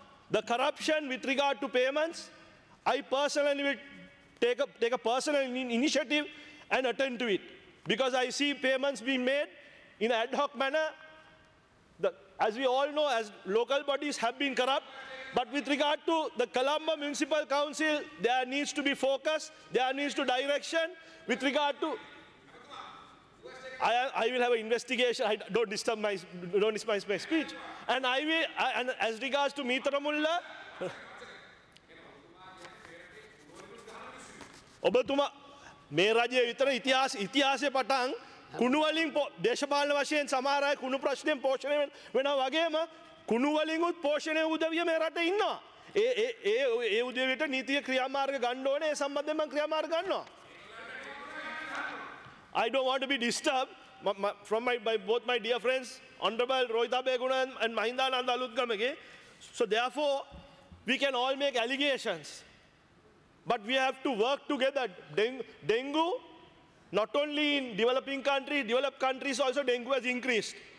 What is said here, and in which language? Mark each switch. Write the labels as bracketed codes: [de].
[en] the corruption, with regard to payments. I personally will take a personal initiative and attend to it because I see payments being made in ad hoc manner, as we all know, as local bodies have been corrupt. But with regard to the Colombo Municipal Council, there needs to be focus, there needs to direction. With regard to, I will have an investigation. Don't disturb my speech. And I will, and as regards to Mitramulla, [si] ඔබතුම මේ රජයේ විතර ඉතිහාසය පටන් කුණු වලින් දේශපාලන වශයෙන් සමහර අය කුණු ප්‍රශ්නෙන් පෝෂණය වෙනවා වගේම කුණු වලින් උත් පෝෂණය උදවිය මේ රටේ ඉන්නවා. ඒ ඒ ඒ ඒ උදවියට නීතිය ක්‍රියාමාර්ග ගන්න ඕනේ. ඒ සම්බන්ධයෙන් මම ක්‍රියාමාර්ග ගන්නවා. [en] I don't want to be disturbed from both my dear friends Honorable Rohit Abeyagun and Mahindananda Aluthgamage. So therefore we can all make allegations, but we have to work together. Dengue not only in developing country, developed countries also dengue has increased.